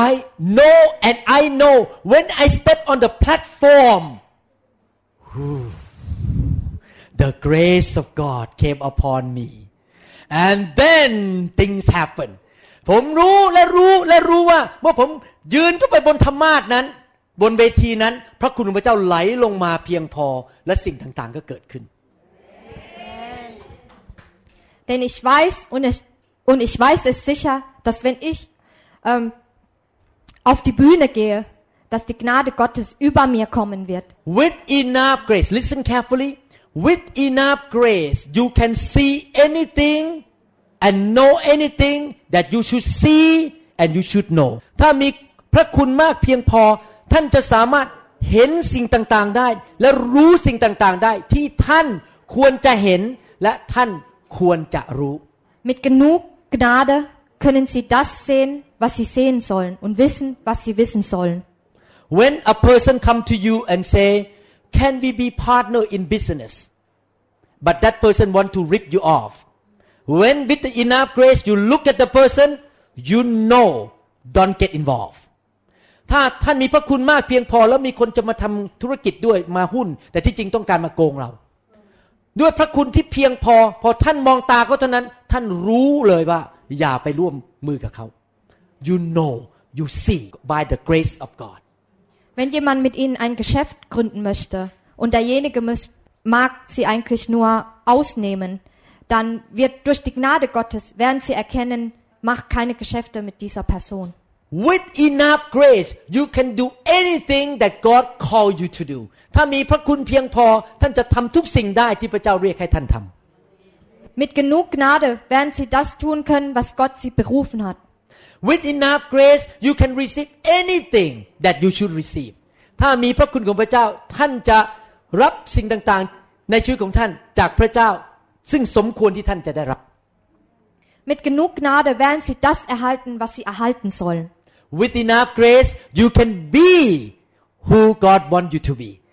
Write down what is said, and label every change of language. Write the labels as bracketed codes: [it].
[en] I know and I know when I step on the platform, the grace of God came upon me, and then things happen. [th] ผมรู้และรู้และรู้ว่าเมื่อผมยืนขึ้นไปบนธรรมาสน์นั้นบนเวทีนั้นพระคุณของพระเจ้าไหลลงมาเพียงพอและสิ่งต่างๆก็เกิดขึ้น [de] Denn ich weiß und ich weiß es sicher, dass wenn ich auf die Bühne gehe, dass die Gnade Gottes über mir kommen wird. [en] With enough grace, listen carefully. With enough grace, you can see anything and know anything that you should see and you should know. [th] ถ้ามีพระคุณมากเพียงพอท่านจะสามารถเห็นสิ่งต่างๆได้และรู้สิ่งต่างๆได้ที่ท่านควรจะเห็นและท่านควรจะรู้ [de] Mit genug Gnade können Sie das sehen, was Sie sehen sollen und wissen, was Sie wissen sollen. [en] When a person come to you and say, "Can we be partner in business?" But that person want to rip you off. When with enough grace you look at the person, you know, don't get involved. [th] ถ้าท่านมีพระคุณมากเพียงพอแล้วมีคนจะมาทำธุรกิจด้วยมาหุ้นแต่ที่จริงต้องการมาโกงเราด้วยพระคุณที่เพียงพอท่านมองตาเขาเท่านั้นท่านรู้เลยว่าอย่าไปร่วมมือกับเขา [en] You know you see by the grace of God [de] Wenn jemand mit Ihnen ein Geschäft gründen möchte und derjenige mag Sie eigentlich nur ausnehmen dann wird durch die Gnade Gottes werden Sie erkennen mach keine Geschäfte mit dieser Person [en] With enough grace you can do anything that God call you to do [th] ถ้ามีพระคุณเพียงพอท่านจะทำทุกสิ่งได้ที่พระเจ้าเรียกให้ท่านทำ [de] Mit genug Gnade werden Sie das tun können, was Gott Sie berufen hat. [en] With enough grace, you can receive anything that you should receive. [th] ถ้ามีพระคุณของพระเจ้าท่านจะรับสิ่งต่างๆในชีวิตของท่านจากพระเจ้าซึ่งสมควรที่ท่านจะได้รับ [de] Mit genug Gnade werden Sie das erhalten, was Sie erhalten sollen. [en] With enough grace, you can be who God wants you to be.